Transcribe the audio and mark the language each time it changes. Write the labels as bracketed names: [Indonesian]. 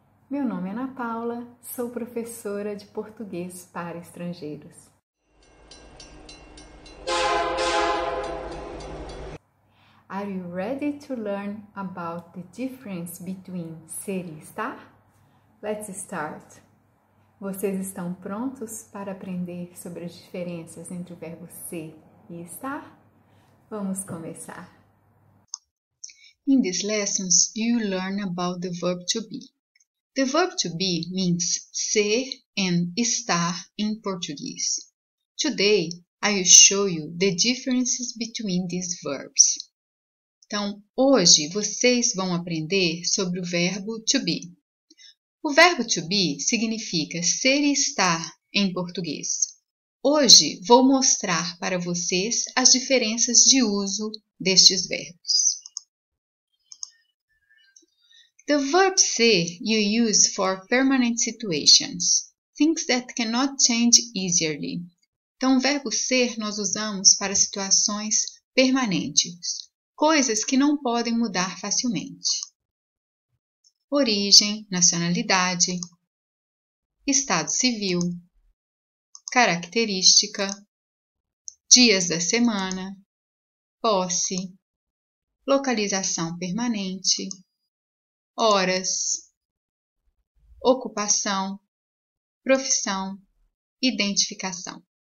[Portuguese] Meu nome é Ana Paula, sou professora de português para estrangeiros. [English] Are you ready to learn about the difference between ser e estar? Let's start. [Portuguese] Vocês estão prontos para aprender sobre as diferenças entre o verbo ser e estar? Vamos começar. [English] In these lessons, you learn about the verb to be. The verb to be means ser and estar in Portuguese. Today, I will show you the differences between these verbs. [Portuguese] Então, hoje vocês vão aprender sobre o verbo to be. O verbo to be significa ser e estar em português. Hoje, vou mostrar para vocês as diferenças de uso destes verbos. [English] The verb ser you use for permanent situations, things that cannot change easily. [Portuguese] Então, o verbo ser nós usamos para situações permanentes, coisas que não podem mudar facilmente. Origem, nacionalidade, estado civil, característica, dias da semana, posse, localização permanente, horas, ocupação, profissão, identificação.